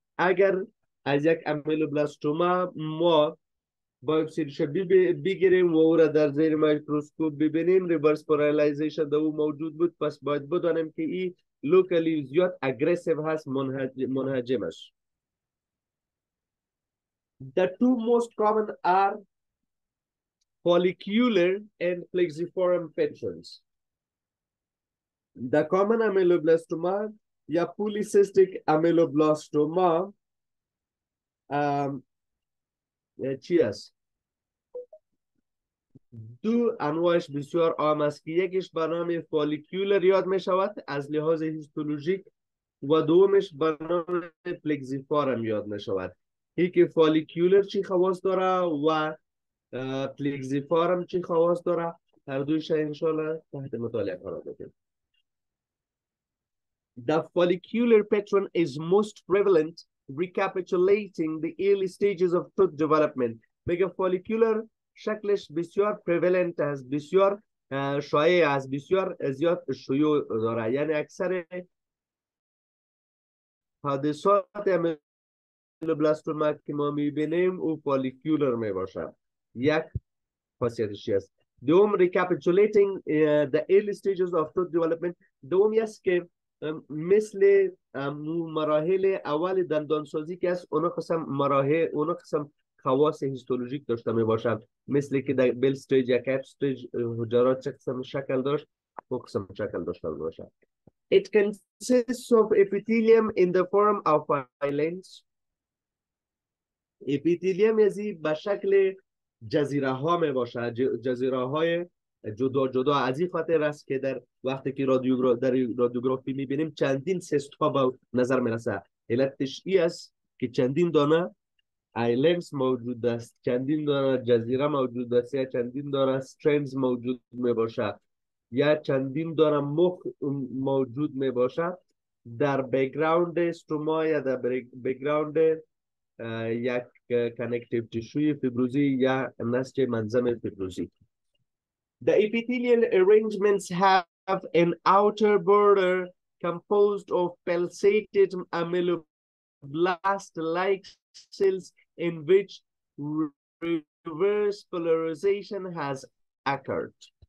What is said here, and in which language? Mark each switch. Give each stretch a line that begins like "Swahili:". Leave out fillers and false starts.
Persian: اگر از یک امیلوبلاستوما ما بایوپسی ریشه بگیریم و او را در زیر مایکروسکوپ ببینیم، ریورس پولاریزیشن در او موجود بود، پس باید بدانیم که این لوکالی زیاد اگریسیو هست، منهجم است.
English: The two most common are follicular and plexiform patterns. The common ameloblastoma
Persian: یا polycystic ameloblastoma چی است؟ دو انواعش بسیار عام است که یکیش به نام فالیکیولر یاد می شود از لحاظ هیستولوژیک و دومش به نام پلکزیفارم یاد می شود. هی که فالیکیولر چی خواص داره و پلکزیفارم چی خواص داره، هر دویش انشالله تحت مطالعه قرار بگیرد.
English: The follicular pattern is most prevalent, recapitulating the early stages of tooth development.
Persian: میگه follicular شکلش بسیار پریولنت هست، بسیار شایع هست، بسیار زیاد شیوع داره، یعنی اکثر حادثات امیلوبلاستوما که ما میبینیم او فالیکیولر میباشد. یک خاصیتش هست. دوم
English: recapitulating the early stages of tooth development.
Persian: دوم یست که مثل مراحل اول دندانسازی که هست اونو قسم مراحل اونو قسم خواص هیستولوژیک داشته می باشد، مثل که در بیل ستیج یا کپ ستیج حجرات چه قسم شکل داشت و قسم شکل داشته می باشد.
English: It consists of epithelium in the form of islands.
Persian: Epithelium یعنی به شکل جزیره ها می باشد، جزیره های جدا جدا. از این خاطر است که در وقتی که رادیوگرافی می بینیم چندین سست ها به نظر می رسد. علتش ای است که چندین دانه ایلنس موجود است، چندین داره جزیره موجود است، یا چندین داره استرنز موجود می باشد، یا چندین داره مخ موجود می باشد در بیگراوند استوما یا در بیگراوند یک کنکتیو تیشوی فیبروزی یا نسج منظم فیبروزی.
English: The epithelial arrangements have an outer border composed of pulsated amyloblast-like cells in which reverse polarization has occurred.